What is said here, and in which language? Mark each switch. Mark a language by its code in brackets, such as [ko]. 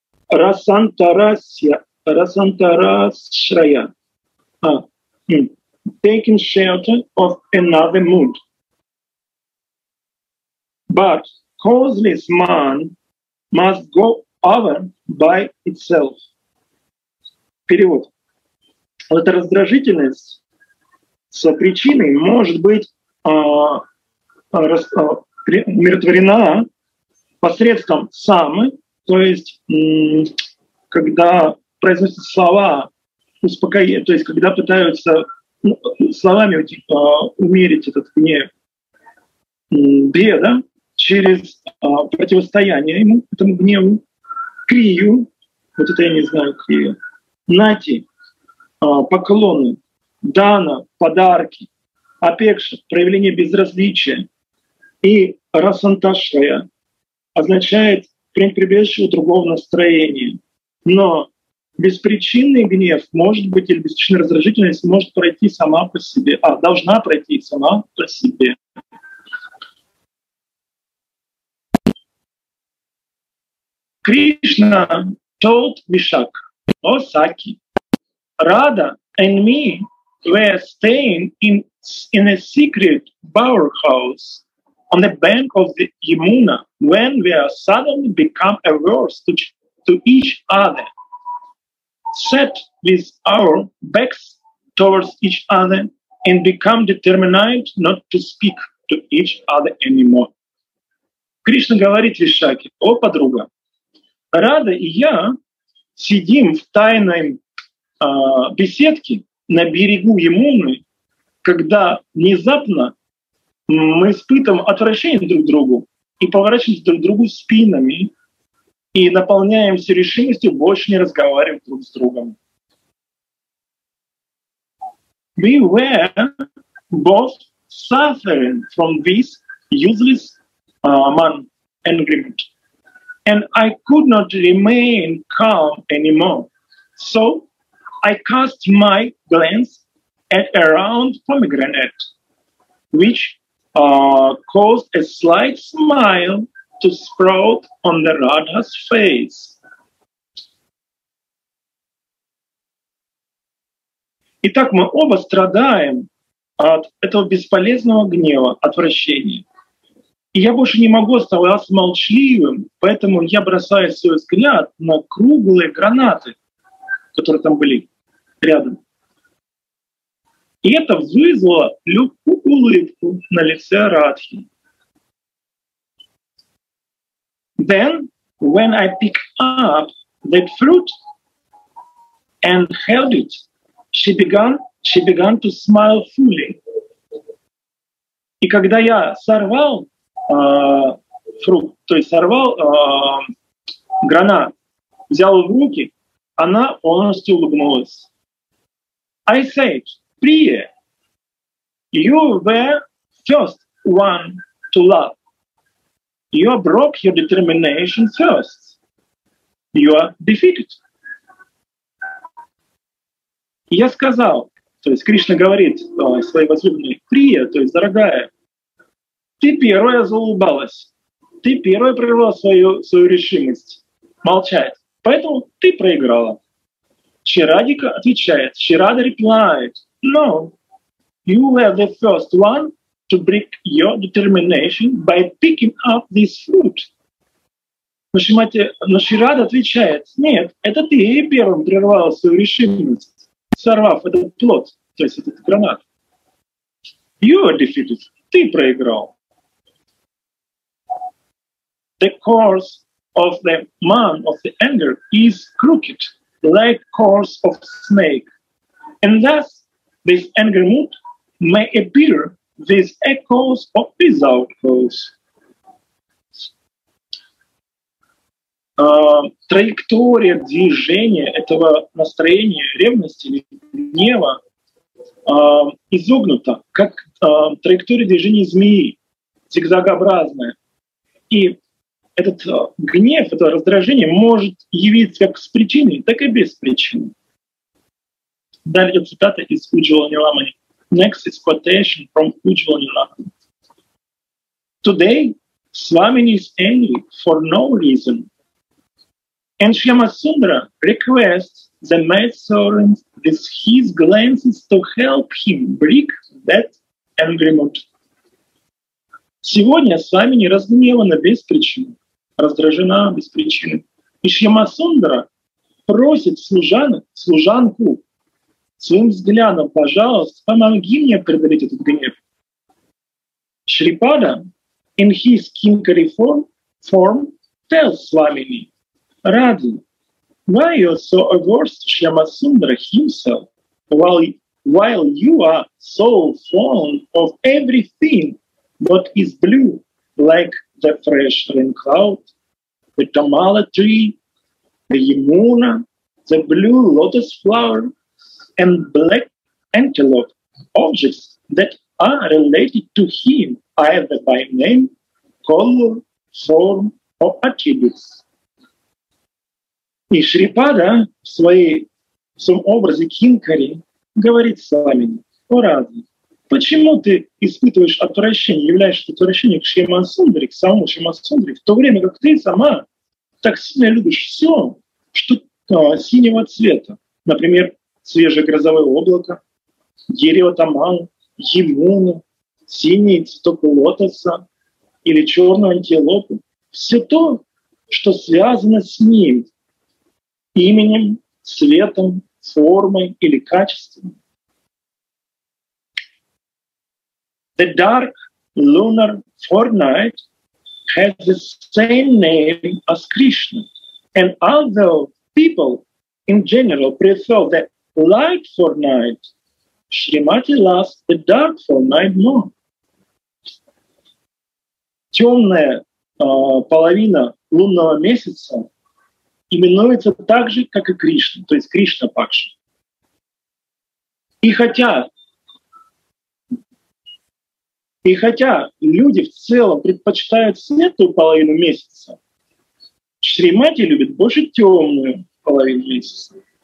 [en] rasantarasya, taking shelter of another mood. But causeless man must go over by itself. [ru] Перевод. Вот эта раздражительность со причиной может быть умиротворена посредством самы, то есть когда произносят слова успокоения, то есть когда пытаются словами типа умерить этот гнев, беда через противостояние ему, этому гневу, крию, вот это я не знаю, крию, нати, поклоны, дана, подарки, апекша, проявление безразличия, и расанташая означает пренебрежение другого настроения. Но беспричинный гнев может быть, или беспричинная раздражительность может пройти сама по себе, должна пройти сама по себе. [en] Кришна told Вишакха, о Саки, Radha and me were staying in a secret bower house on the bank of the Yamuna when we suddenly become averse to each other. Set with our backs towards each other and become determined not to speak to each other anymore. [ru] Кришна говорит Вишакхе: о, подруга, Радха и я сидим в тайной беседке на берегу Ямуны, когда внезапно мы испытываем отвращение друг к другу и поворачиваемся друг к другу спинами, и наполняемся решимостью больше не разговаривать друг с другом. [en] We were both suffering from this useless man agreement, and I could not remain calm anymore. So I cast my glance at around pomegranate, which caused a slight smile to sprout on the Radha's face. [ru] Итак, мы оба страдаем от этого бесполезного гнева, отвращения. И я больше не могу оставаться молчаливым, поэтому я бросаю свой взгляд на круглые гранаты, которые там были рядом. И это вызвало легкую улыбку на лице Радхи. [en] Then, when I picked up that fruit and held it, she began to smile fully. [ru] И когда я сорвал фрукт, то есть сорвал гранат, взял в руки, она полностью улыбнулась. [en] I said, Priya, you were first one to love. You broke your determination first. You are defeated. [ru] Я сказал, то есть Кришна говорит своей возлюбленной, Прия, то есть дорогая, ты первая заулыбалась, ты первая прервала свою решимость молчать, поэтому ты проиграла. [en] Shiradika отвечает, Shirada replied, no, you were the first one to break your determination by picking up this fruit. [ru] Но Shirada отвечает, нет, это ты первым прервал свою решимость, сорвав этот плод, то есть этот гранат. [en] You are defeated, [ru] ты проиграл. [en] The course of the man of the anger is crooked, like course of snake. And thus, this anger mood may appear with echoes or without cause. [ru] Траектория движения этого настроения ревности или гнева изогнута, как траектория движения змеи, зигзагообразная. И этот гнев, это раздражение может явиться как с причиной, так и без причины. Далее цитата из Ujjvala Nilamani. [en] Next is quotation from Ujjvala Nilamani. Today, Swamini is angry for no reason. And Shyamasundara requests the maidservant with his glances to help him break that angry mood. [ru] Сегодня Свамини разгневана без причины, раздражена без причины. И Шьямасундара просит служанку своим взглядом, пожалуйста, помоги мне преодолеть этот гнев. [en] Шрипада in his kinkari form tells Свамини, Radhi, why you are so averse to Shyamasundara himself, while you are so fond of everything that is blue, like the fresh rain cloud, the tamala tree, the yamuna, the blue lotus flower, and black antelope, objects that are related to him either by name, color, form, or attributes. [ru] И Шрипада в своем образе Кинкари говорит Свамини, о Радхи, почему ты испытываешь отвращение, являешься отвращением к Шьямасундаре, к самому Шьямасундаре, в то время как ты сама так сильно любишь все, что синего цвета, например, свежее грозовое облако, дерево тамалу, ямуну, синий цветок лотоса или черную антилопу, все то, что связано с ним, именем, цветом, формой или качеством. [en] The dark lunar fortnight has the same name as Krishna, and although people in general prefer the light fortnight, Shrimati loves the dark fortnight more. [ru] Темная половина лунного месяца именуется так же, как и Кришна, то есть Кришна Пакша. И хотя люди в целом предпочитают светлую половину месяца, Шримати любит больше темную половину месяца.